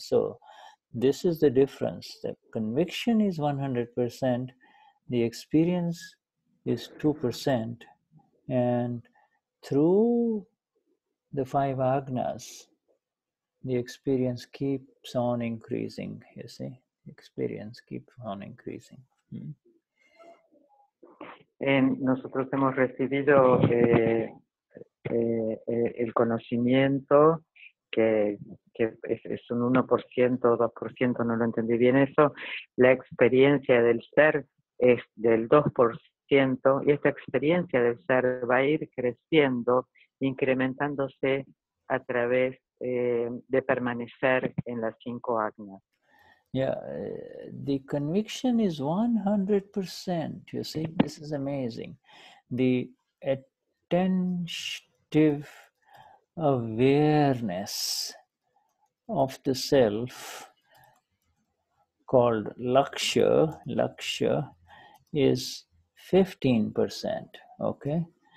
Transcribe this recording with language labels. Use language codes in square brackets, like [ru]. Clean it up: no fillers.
[en] So this is the difference. The conviction is 100%. The experience is 2%. And through the five agnas, the experience keeps on increasing, you see. Experience keeps on increasing. [es] Nosotros hemos recibido el conocimiento, que es un 1%, 2%, no lo entendí bien eso. La experiencia del ser es del 2%. Y esta experiencia del ser va a ir creciendo, incrementándose a través de permanecer en las cinco agnas. [en] Yeah, the conviction is 100%, you see, this is amazing. The attentive awareness of the self called Lakshya is 15%, okay?